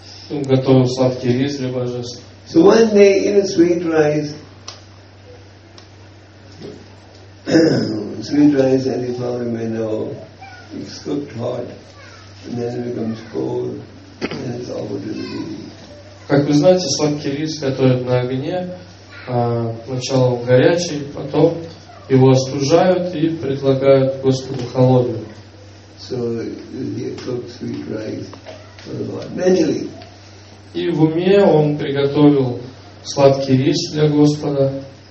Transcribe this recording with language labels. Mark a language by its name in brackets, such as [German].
[Russian] Он готовил сладкий рис для божеств. [English] So one day in a sweet rice, sweet rice, as you probably may know, it's cooked hot and then it becomes cold and it's offered to the deity. [Russian] Как вы знаете, сладкий рис готовят на огне, сначала он горячий, потом его остужают и предлагают Господу холодный. [English] So he cooked sweet rice for God mentally. [Russian] И в уме он приготовил сладкий рис для Господа.